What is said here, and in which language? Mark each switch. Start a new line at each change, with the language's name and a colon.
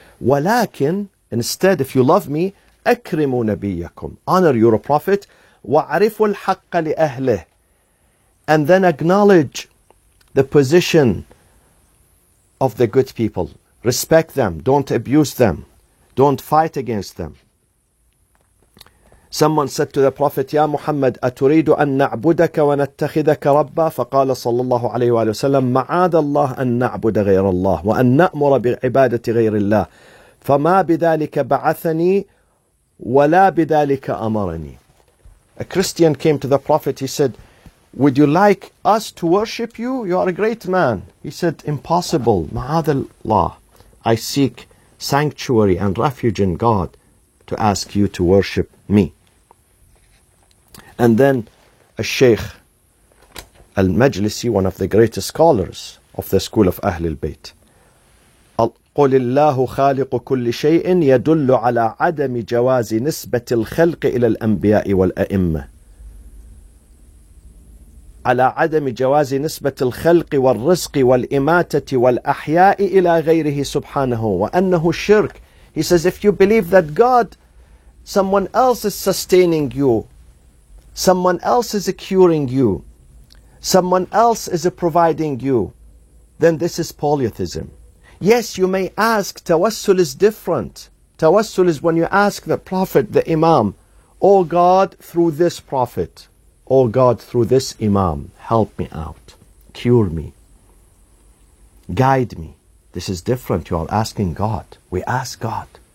English: Walakin, instead, if you love me,
Arabic: أكرموا نبيكم.
English: Honor your prophet.
Arabic: وعرفوا الحق لأهله.
English: And then acknowledge the position of the good people. Respect them. Don't abuse them. Don't fight against them. Someone said to the prophet,
Arabic: يا محمد أتريد أن نعبدك ونتخذك ربا؟ فقال صلى الله عليه وآله وسلم معاذ الله أن نعبد غير الله وأن نأمر بعبادة غير الله. فَمَا بِذَٰلِكَ بَعَثَنِي وَلَا بِذَٰلِكَ أَمَرَنِي.
English: A Christian came to the Prophet. He said, would you like us to worship you? You are a great man. He said, impossible.
Arabic: مَعَاذَ اللَّهِ.
English: I seek sanctuary and refuge in God to ask you to worship me. And then a Sheikh Al-Majlisi, one of the greatest scholars of the school of Ahlul Bayt,
Arabic: قل الله خالق كل شيء يدل على عدم جواز نسبة الخلق إلى الأنبياء والأئمة على عدم جواز نسبة الخلق والرزق والإماتة والأحياء إلى غيره سبحانه وأنه شرك.
English: He says, if you believe that God, someone else is sustaining you, someone else is curing you, someone else is providing you, then this is polytheism. Yes, you may ask, tawassul is different. Tawassul is when you ask the Prophet, the Imam, O God, through this Prophet, O God, through this Imam, help me out, cure me, guide me. This is different. You are asking God. We ask God.